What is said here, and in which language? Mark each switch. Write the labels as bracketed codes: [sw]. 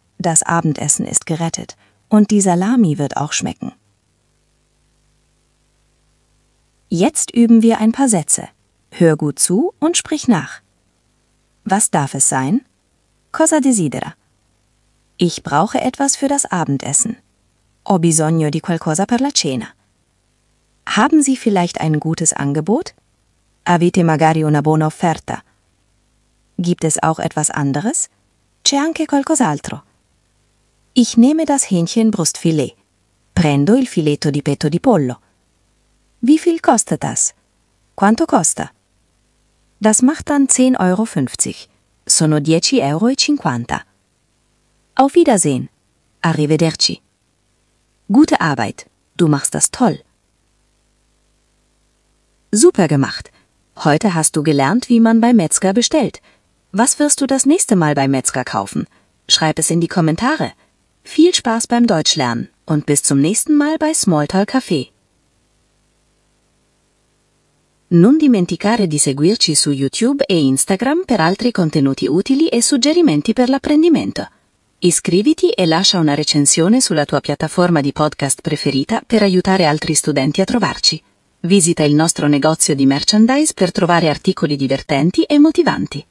[de] Das Abendessen ist gerettet. Und die Salami wird auch schmecken. Jetzt üben wir ein paar Sätze. Hör gut zu und sprich nach. Was darf es sein? [it] Cosa desidera? [de] Ich brauche etwas für das Abendessen. [it] Ho bisogno di qualcosa per la cena. [de] Haben Sie vielleicht ein gutes Angebot? [it] Avete magari una buona offerta? [de] Gibt es auch etwas anderes? [it] C'è anche qualcos'altro. [de] Ich nehme das Hähnchenbrustfilet. [it] Prendo il filetto di petto di pollo. [de] Wie viel kostet das? [it] Quanto costa? [de] Das macht dann 10,50 Euro. [it] Sono 10,50 Euro. [de] Auf Wiedersehen. [it] Arrivederci. [de] Gute Arbeit. Du machst das toll. Super gemacht. Heute hast du gelernt, wie man beim Metzger bestellt. Was wirst du das nächste Mal beim Metzger kaufen? Schreib es in die Kommentare. Viel Spaß beim Deutschlernen und bis zum nächsten Mal bei Smalltalk Café. [it] Non dimenticare di seguirci su YouTube e Instagram per altri contenuti utili e suggerimenti per l'apprendimento. Iscriviti e lascia una recensione sulla tua piattaforma di podcast preferita per aiutare altri studenti a trovarci. Visita il nostro negozio di merchandise per trovare articoli divertenti e motivanti.